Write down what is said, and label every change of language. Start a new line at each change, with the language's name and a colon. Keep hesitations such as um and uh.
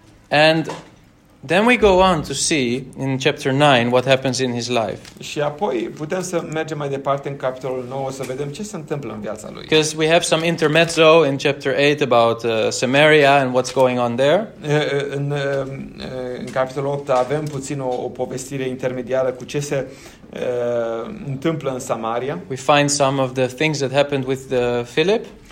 English: And Then we go on to see in chapter 9 what happens in his life.
Romanian: Și apoi putem să mergem mai departe în capitolul 9 să vedem ce se întâmplă în viața lui.
English: Because we have some intermezzo in chapter 8 about uh, Samaria and what's going on there.
Romanian: În în uh, capitolul 8 avem puțin o o povestire intermediară cu ce se uh, întâmplă în Samaria.
English: We find some of the things that happened with the Philip.